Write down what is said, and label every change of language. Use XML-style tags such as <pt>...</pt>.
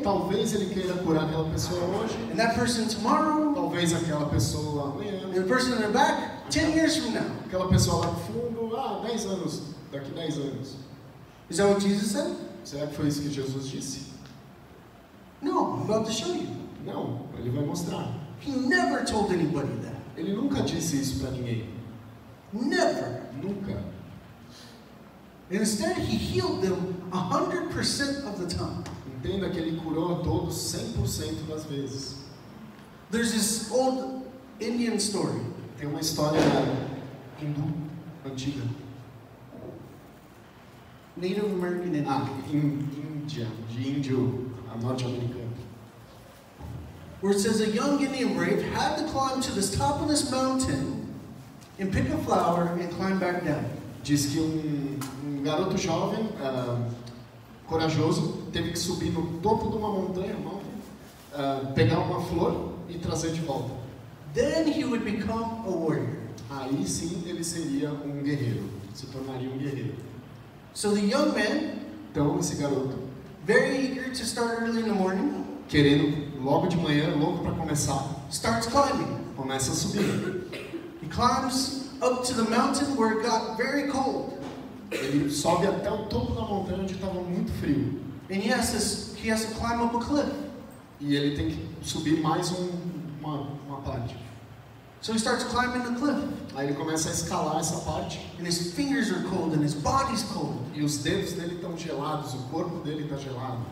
<pt>Talvez ele queira curar aquela pessoa hoje.</pt> <en>And that person tomorrow.</en> <pt>Talvez aquela pessoa amanhã.</pt> <en>And the person in the back, 10 years from now.</en> <pt>Aquela pessoa lá no fundo, 10 anos, daqui 10 anos.</pt> <en>Is that what Jesus said?</en> <pt>Será que foi isso que Jesus disse?</pt> <en>No, I'm about to show you.</en> <pt>Não, ele vai mostrar.</pt> <en>He never told anybody that.</en> <pt>Ele nunca disse isso para ninguém.</pt> <en>Never.</en> <pt>Nunca.</pt> <en>Instead, he healed them 100% of the time.</en> <pt>Entenda que ele curou a todos 100% das vezes.</pt> <en>There's this old Indian story.</en> <pt>Tem uma história hindu antiga.</pt> <en>Native American Indian.</en> <pt>Índia, de índio, norte-americano.</pt> <en>Where it says a young Indian brave had to climb to the top of this mountain and pick a flower and climb back down.</en> <pt>Diz que um garoto jovem, corajoso, teve que subir no topo de uma montanha, pegar uma flor e trazer de volta.</pt> <en>Then he would become a warrior.</en> <pt>Aí sim ele seria um guerreiro, se tornaria um guerreiro.</pt> <en>So the young man,</en> <pt>então esse garoto,</pt> <en>very eager to start early in the morning,</en> <pt>querendo logo de manhã, louco para começar,</pt> <en>starts climbing.</en> <pt>Começa a subir.</pt> <en>He climbs up to the mountain where it got very cold.</en> <pt>Ele sobe até o topo da montanha onde estava muito frio.</pt> <en>And he has to climb up a cliff.</en> <pt>E ele tem que subir mais uma parte.</pt> <en>So he starts climbing the cliff.</en> <pt>Aí ele começa a escalar essa parte.</pt> <en>And his fingers are cold and his body's cold.</en> <pt>E os dedos dele estão gelados, o corpo dele está gelado.</pt>